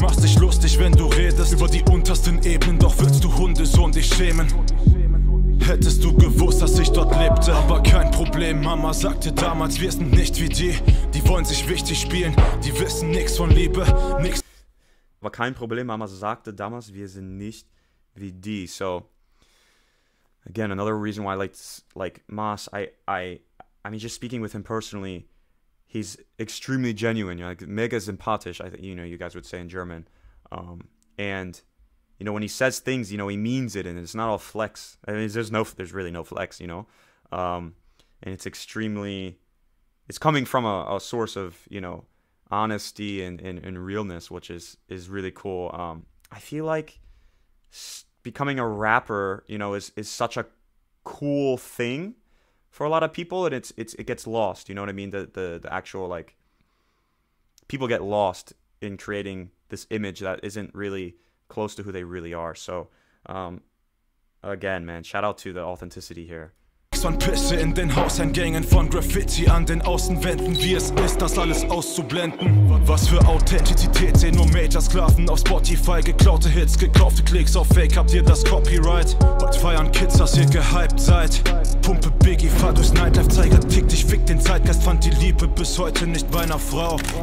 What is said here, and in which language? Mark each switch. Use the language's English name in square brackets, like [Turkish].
[German] Machst dich lustig, wenn du redest über die untersten Ebenen. Doch willst du Hundesohn dich schämen? Hättest du gewusst, dass ich dort lebte? Aber kein Problem, Mama sagte damals, wir sind nicht wie die. Die wollen sich wichtig spielen, die wissen nichts von Liebe, nix. Aber kein Problem, Mama sagte damals, wir sind nicht wie die. [English] So, again, another reason why I like MAASS, I mean, just speaking with him personally, he's extremely genuine, like [German] mega sympathisch, [English] I think, you know, you guys would say in German. And, you know, when he says things, you know, he means it, and it's not all flex. I mean, there's really no flex, you know. And it's extremely, it's coming from a source of, you know, honesty and realness, which is really cool. I feel like becoming a rapper, you know, is such a cool thing for a lot of people, and it gets lost, you know what I mean? The actual, like, people get lost in creating this image that isn't really close to who they really are. So, again, man, shout out to the authenticity here. [German] Von Pisse in den Hauseingängen, von Graffiti an den Außenwänden, wie es ist, das alles auszublenden. Was für Authentizität, sehen nur Major-Sklaven auf Spotify, geklaute Hits, gekaufte Klicks auf Fake, habt ihr das Copyright? Heute feiern Kids, dass ihr gehypt seid. Pumpe Biggie, fahr durchs Nightlife, Zeiger tickt, ich fick den Zeitgeist, fand die Liebe bis heute nicht bei einer Frau.